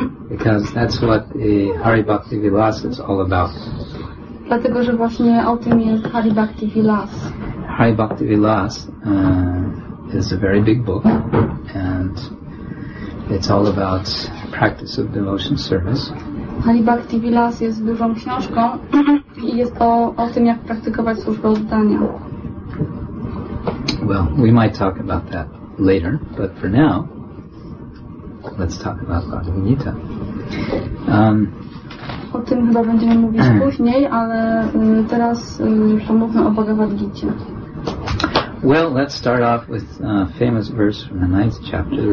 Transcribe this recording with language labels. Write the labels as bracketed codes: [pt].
[en] Because that's what the Hari Bhakti Vilas is all about. [pl] Dlatego, że właśnie o tym jest Hari Bhakti Vilas. [en] Hari Bhakti Vilas is a very big book, and it's all about practice of devotion service. [pl] Hari Bhakti Vilas jest dużą książką i jest to o tym, jak praktykować służbę oddania. [en] Well, we might talk about that later, but for now, let's talk about Bhagavad Gita. [pl] O tym chyba będziemy mówić później, ale teraz pomówmy o Bhagavad Gita. [en] Well, let's start off with a famous verse from the ninth chapter.